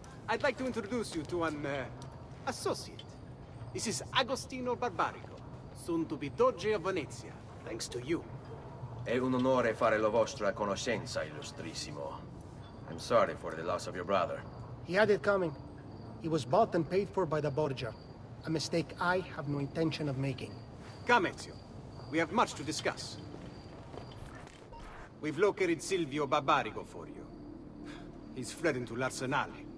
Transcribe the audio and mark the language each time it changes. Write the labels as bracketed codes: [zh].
[en] I'd like to introduce you to an associate. This is Agostino Barbarico, soon to be Doge of Venezia, thanks to you. [it] È un onore fare la vostra conoscenza, illustrissimo. [en] I'm sorry for the loss of your brother. He had it coming. He was bought and paid for by the Borgia. A mistake I have no intention of making. Come, Ezio. We have much to discuss. We've located Silvio Barbarico for you. He's fled into l'arsenale.